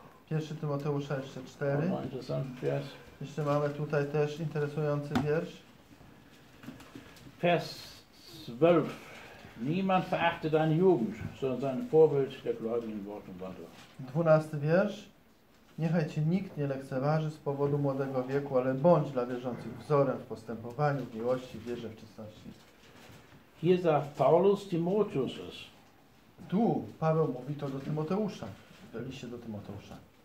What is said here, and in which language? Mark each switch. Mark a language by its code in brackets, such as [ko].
[pl] 1 Tymoteusza jeszcze 4. Jeszcze mamy tutaj też interesujący wiersz. [de] Vers 12. Niemand verachte deine Jugend, sondern sein Vorbild der gläubigen Wort und Wandel. [pl] 12 wiersz. Niechaj cię nikt nie lekceważy z powodu młodego wieku, ale bądź dla wierzących wzorem w postępowaniu, w miłości, w wierze, w czystości. Hier sagt Paulus Timotheus. Tu Paweł mówi to do Tymoteusza. liście do Tymoteusza.